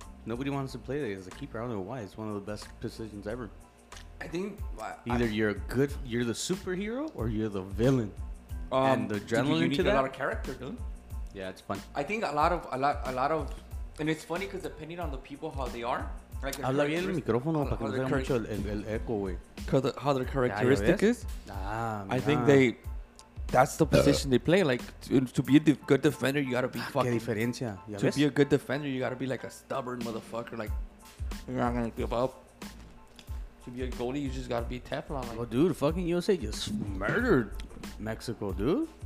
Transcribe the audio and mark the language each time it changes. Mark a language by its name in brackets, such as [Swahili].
[English] Nobody wants to play that as a keeper. I don't know why. It's one of the best positions ever. I think... You're the superhero or you're the villain. And the adrenaline you need to that? A lot of character, dude. Yeah, it's fun. I think a lot of... And it's funny because depending on the people, how they are... [Spanish] Habla bien el micrófono para que no se vea mucho el eco, güey. [English] How their characteristic is? I think they... That's the position they play. Like, to be a good defender, you gotta be fucking... [Spanish] Qué diferencia. [English] To be a good defender, you gotta be like a stubborn motherfucker. Like, you're not gonna give up. To be a goalie, you just gotta be Teflon. Well, dude, fucking USA just murdered Mexico, dude.